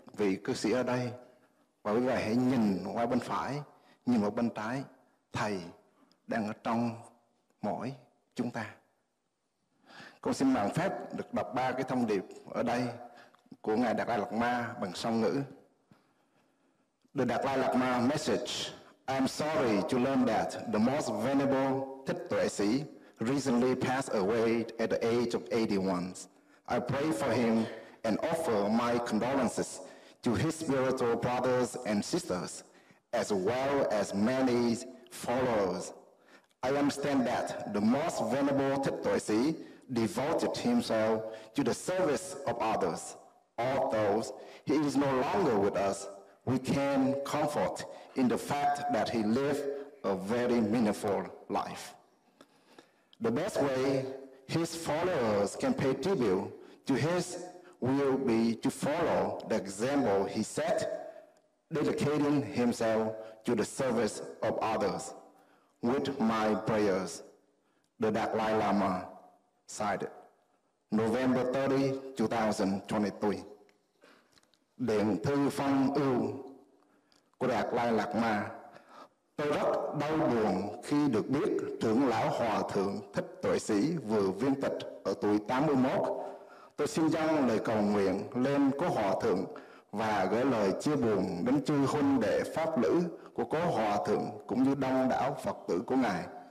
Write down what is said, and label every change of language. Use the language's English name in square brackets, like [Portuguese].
[Vietnamese] vị cư sĩ ở đây, và quý vị hãy nhìn qua bên phải, nhìn qua bên trái, Thầy đang ở trong mỗi chúng ta. Con xin mạn phép được đọc ba cái thông điệp ở đây của Ngài Đạt Lai Lạt Ma bằng song ngữ. [English] The Đạt Lai Lạt Ma message: I'm sorry to learn that the most venerable Thích Tuệ Sĩ recently passed away at the age of 81. I pray for him and offer my condolences to his spiritual brothers and sisters, as well as many followers. I understand that the most venerable Thích Tuệ Sĩ devoted himself to the service of others. Although he is no longer with us, we can comfort in the fact that he lived a very meaningful life. The best way his followers can pay tribute to his will be to follow the example he set, dedicating himself to the service of others. With my prayers, the Dalai Lama cited, November 30, 2023. [Vietnamese] Điện thư phong ưu của Đạt Lai Lạt Ma. Tôi rất đau buồn khi được biết trưởng lão hòa thượng Thích Tuệ Sĩ vừa viên tịch ở tuổi 81. Tôi xin dâng lời cầu nguyện lên cố hòa thượng và gửi lời chia buồn đến chư huynh đệ pháp lữ của cố hòa thượng cũng như đông đảo Phật tử của Ngài.